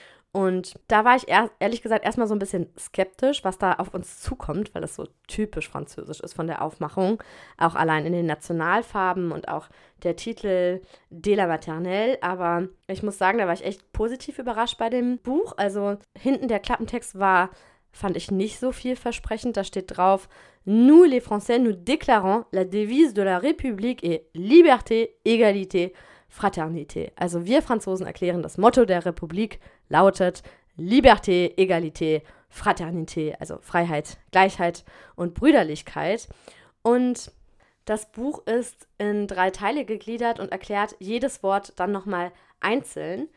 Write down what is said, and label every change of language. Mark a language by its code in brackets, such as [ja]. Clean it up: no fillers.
[de] Und da war ich ehrlich gesagt erstmal so ein bisschen skeptisch, was da auf uns zukommt, weil das so typisch französisch ist von der Aufmachung. Auch allein in den Nationalfarben und auch der Titel De la Maternelle. Aber ich muss sagen, da war ich echt positiv überrascht bei dem Buch. Also hinten der Klappentext war, fand ich nicht so vielversprechend. Da steht drauf, [fr] nous les Français nous déclarons la devise de la République est Liberté, Égalité, Fraternité. [de] Also wir Franzosen erklären das Motto der Republik lautet Liberté, Égalité, Fraternité, also Freiheit, Gleichheit und Brüderlichkeit. Und das Buch ist in 3 Teile gegliedert und erklärt jedes Wort dann nochmal einzeln.